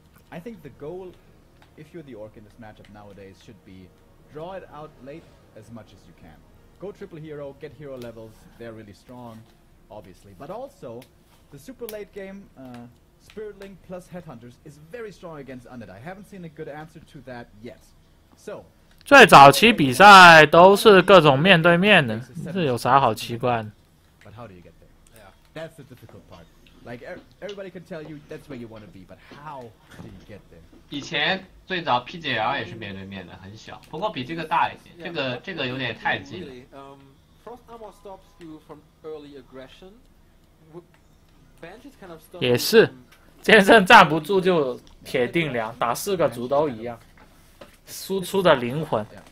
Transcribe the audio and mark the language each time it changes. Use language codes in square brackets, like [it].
[en] I think the goal, if you're the orc in this matchup nowadays, should be draw it out late as much as you can. Go triple hero, get hero levels. They're really strong, obviously. But also, the super late game. Spirit Link plus Headhunters is very strong against Undead. I haven't seen a good answer to that yet. So, [zh] 最早期比赛都是各种面对面的，这有啥好奇怪的？ [en] But how do you get there? That's the difficult part. Like everybody can tell you that's where you want to be, but how do you get there? [zh] 以前最早 PGL 也是面对面的，很小，不过比这个大一些。这个有点太近了。 [en] Frost Armor stops you from early aggression. Kind of [zh] 也是，剑圣站不住就铁定凉，打四个族都一样，输出的灵魂。